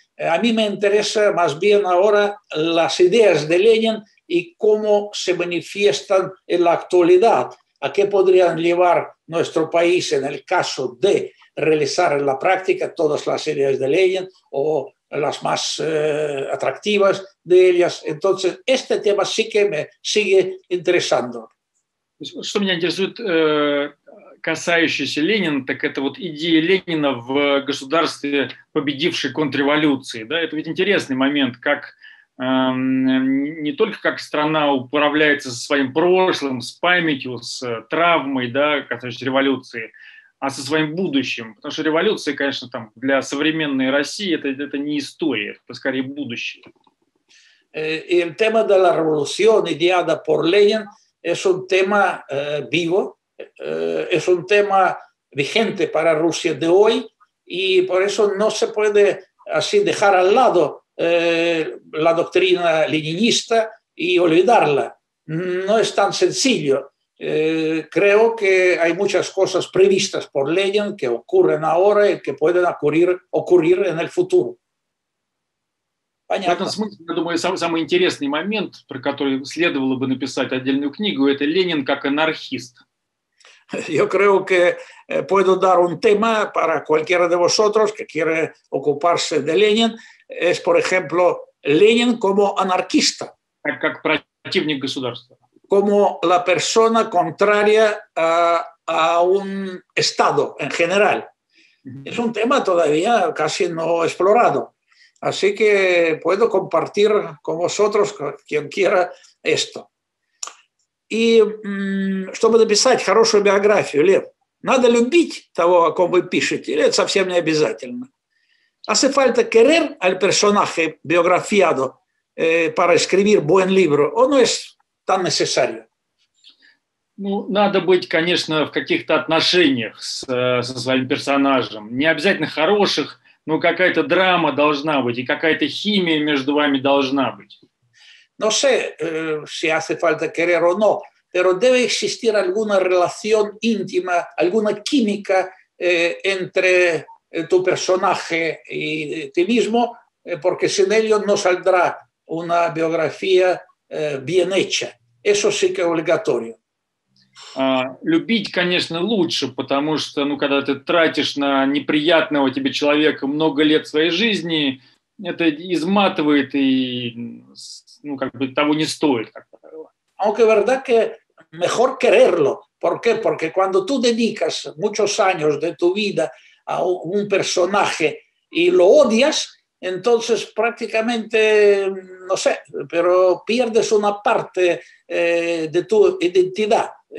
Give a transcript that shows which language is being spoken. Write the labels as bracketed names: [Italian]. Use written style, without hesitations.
[Spanish] A mí me interesa más bien ahora las ideas de Lenin y cómo se manifiestan en la actualidad, a qué podrían llevar nuestro país en el caso de realizar en la práctica todas las ideas de Lenin o las más atractivas de ellas. Entonces, este tema sí que me sigue interesando. [Russian] Что меня интересует, касающееся Ленина, так это вот идея Ленина в государстве, победившей контрреволюции. Да? Это ведь интересный момент, как не только как страна управляется со своим прошлым, с памятью, с травмой, да, касающейся революции, а со своим будущим. Потому что революция, конечно, там, для современной России это не история, это скорее будущее. И тема [Spanish] de la revolución ideada por Ленин es un tema vivo, es un tema vigente para Rusia de hoy y por eso no se puede así dejar al lado la doctrina leninista y olvidarla. No es tan sencillo. Creo que hay muchas cosas previstas por Lenin que ocurren ahora y que pueden ocurrir en el futuro. [Russian] Понятно. В этом смысле, я думаю, самый интересный момент, про который следовало бы написать отдельную книгу, это Ленин как анархист. [Spanish] Yo creo que puedo dar un tema para cualquiera de vosotros que quiere ocuparse de Ленин. Es, por ejemplo, Ленин como анархиста. [Russian] Как противник государства. [Spanish] Como la persona contraria a un Estado en general. Es un tema todavía casi no explorado. Así que puedo compartir con vosotros, quien quiera, esto. [Russian] И чтобы написать хорошую биографию, Лев, надо любить того, о ком вы пишете, или это совсем не обязательно? [Spanish] Hace falta querer al personaje biografiado para escribir buen libro. ¿O no es tan necesario? [Russian] Ну, надо быть, конечно, в каких-то отношениях со своим персонажем. Не обязательно хороших, но какая-то драма должна быть, и какая-то химия между вами должна быть. [Spanish] No sé si hace falta querer o no, pero debe existir alguna relación íntima, alguna química entre tu personaje y ti mismo, porque sin ello no saldrá una biografía bien hecha. Eso sí que es obligatorio. [Russian] Любить, конечно, лучше, потому что, ну, когда ты тратишь на неприятного тебе человека много лет своей жизни, это изматывает и, ну, как бы того не стоит, как правило. [Spanish] Aunque verdad que mejor quererlo. ¿Por qué? Porque cuando tú dedicas muchos años de tu vida a un personaje y lo odias, entonces prácticamente, no sé, pero pierdes una parte de tu identidad.